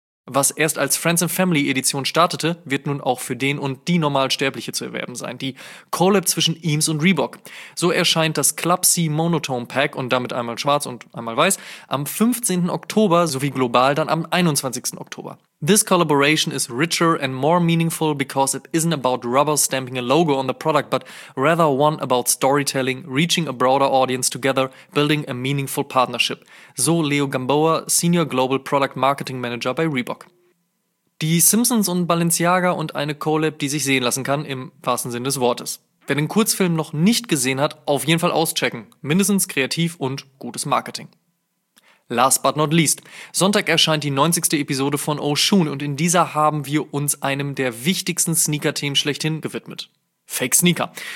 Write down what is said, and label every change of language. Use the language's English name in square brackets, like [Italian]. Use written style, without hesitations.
[German] Was erst als Friends and Family Edition startete, wird nun auch für den und die Normalsterbliche zu erwerben sein. Die Collab zwischen Eames und Reebok. So erscheint das Club C Monotone Pack und damit einmal schwarz und einmal weiß am 15. Oktober sowie global dann am 21. Oktober. [English] This collaboration is richer and more meaningful because it isn't about rubber stamping a logo on the product, but rather one about storytelling, reaching a broader audience together, building a meaningful partnership. [German] So Leo Gamboa, Senior Global Product Marketing Manager bei Reebok. Die Simpsons und Balenciaga und eine Collab, die sich sehen lassen kann, im wahrsten Sinn des Wortes. Wer den Kurzfilm noch nicht gesehen hat, auf jeden Fall auschecken. Mindestens kreativ und gutes Marketing. [English] Last but not least. [German] Sonntag erscheint die 90. Episode von Oshun und in dieser haben wir uns einem der wichtigsten Sneaker-Themen schlechthin gewidmet. Fake Sneaker.